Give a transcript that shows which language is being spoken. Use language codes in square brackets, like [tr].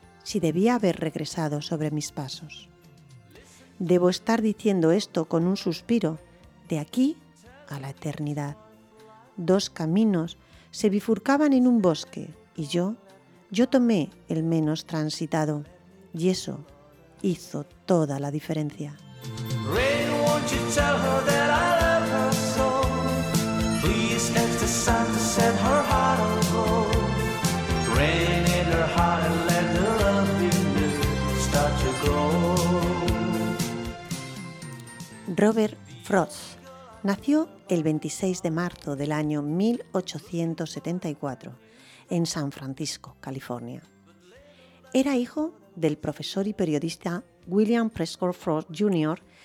[es] si debía haber regresado sobre mis pasos. Debo estar diciendo esto con un suspiro, de aquí a la eternidad. Dos caminos se bifurcaban en un bosque y yo tomé el menos transitado y eso hizo toda la diferencia. [en] Rain, won't you tell her that I love her so? Please catch the sun to set her heart on gold. Rain in her heart and let the love in you start to grow. [es] Robert Frost nació el 26 de marzo del año 1874 en San Francisco, California. Era hijo del profesor y periodista William Prescott Frost Jr.